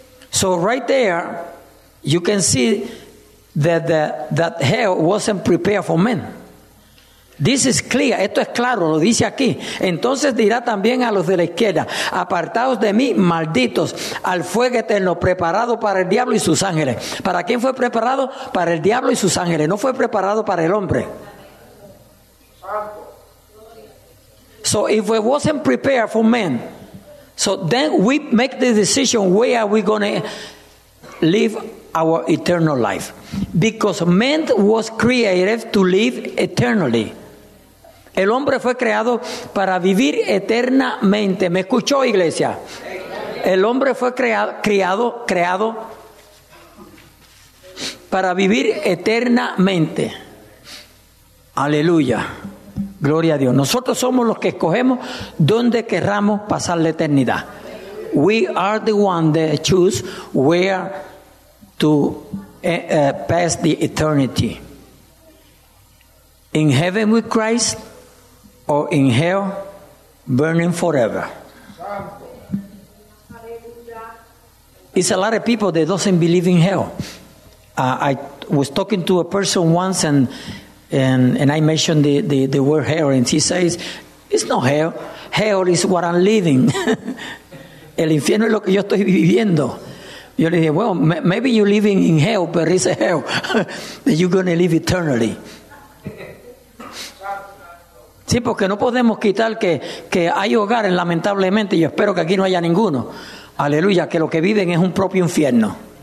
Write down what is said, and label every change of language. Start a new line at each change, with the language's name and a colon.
English: So right there, you can see that hell wasn't prepared for men. This is clear,
Spanish: esto es claro, lo dice aquí. Entonces dirá también a los de la izquierda, apartaos de mí, malditos, al fuego eterno, preparado para el diablo y sus ángeles. ¿Para quién fue preparado? Para el diablo y sus ángeles. No fue preparado para el hombre.
English: So if it wasn't prepared for men, so then we make the decision, where are we going to live our eternal life? Because man was created to live eternally.
Spanish: El hombre fue creado para vivir eternamente. ¿Me escuchó, iglesia? El hombre fue creado para vivir eternamente. Aleluya. Gloria a Dios. Nosotros somos los que escogemos dónde querramos pasar la eternidad.
English: We are the one that choose where to pass the eternity. In heaven with Christ, or in hell, burning forever. It's a lot of people that doesn't believe in hell. I was talking to a person once, and And I mentioned the word hell, and he says, it's not hell. Hell is what I'm living.
Spanish: El infierno es lo que yo estoy viviendo. Yo le dije,
English: well, maybe you're living in hell, but it's a hell that you're going to live eternally.
Spanish: Sí, porque no podemos quitar que hay hogares, lamentablemente, yo espero que aquí no haya ninguno. Aleluya, que lo que viven es un propio infierno.